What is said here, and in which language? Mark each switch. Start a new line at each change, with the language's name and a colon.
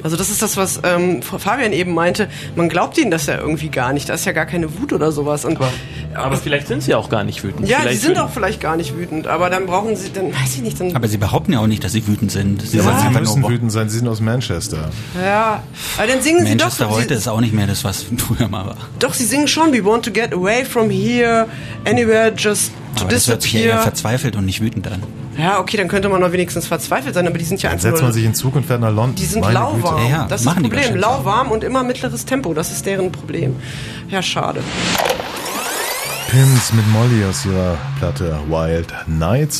German: Also das ist das, was Frau Fabian eben meinte, man glaubt ihnen das ja irgendwie gar nicht, da ist ja gar keine Wut oder sowas. Und aber vielleicht sind sie auch gar nicht wütend. Ja, sie sind auch vielleicht gar nicht wütend, aber dann brauchen sie, dann weiß ich nicht. Dann aber sie behaupten ja auch nicht, dass sie wütend sind. Sie müssen wütend sein, sie sind aus Manchester. Ja, aber dann singen Manchester sie doch. Manchester heute ist auch nicht mehr das, was früher mal war. Doch, sie singen schon,
English: we want to get away from here, anywhere, just to
German: aber
English: disappear.
German: Das hört sich eher verzweifelt und nicht wütend an. Ja, okay, dann könnte man noch wenigstens verzweifelt sein, aber die sind ja einfach. Setzt man sich in Zug und fährt nach London. Die sind lauwarm, das ist das Problem. Lauwarm und immer mittleres Tempo, das ist deren Problem. Ja, schade. Pins mit Molly aus ihrer Platte Wild Nights.